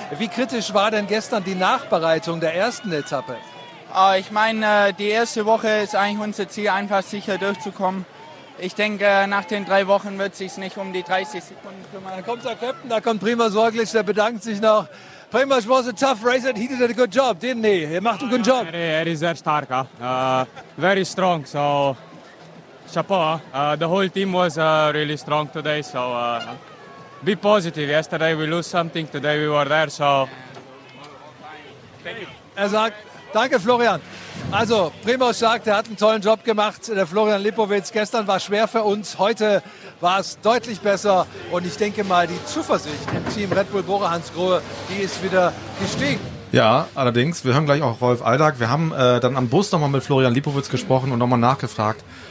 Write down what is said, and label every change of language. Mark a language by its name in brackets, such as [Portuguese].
[German] Wie kritisch war denn gestern die Nachbereitung der ersten Etappe? Ich meine, die erste Woche ist eigentlich unser Ziel, einfach sicher durchzukommen. Ich denke, nach den 3 Wochen wird es sich nicht um die 30 Sekunden kümmern. Da kommt der Captain, da kommt Primoz Roglic, der bedankt sich noch. [English] Primoz was a tough racer, he did a good job, didn't he? [German] Er macht einen guten Job. Er ist sehr stark, [English] very strong, [German] so chapeau. [English] The whole team was really strong today, so be positive. Yesterday we lose something, today we were there, so... Thank you. [German] Er sagt, danke Florian. Also, Primoz sagt, er hat einen tollen Job gemacht. Der Florian Lipowitz, gestern war schwer für uns. Heute war es deutlich besser. Und ich denke mal, die Zuversicht im Team Red Bull Bora Hansgrohe, die ist wieder gestiegen. Ja, allerdings, wir hören gleich auch Rolf Aldag. Wir haben dann am Bus nochmal mit Florian Lipowitz gesprochen und nochmal nachgefragt.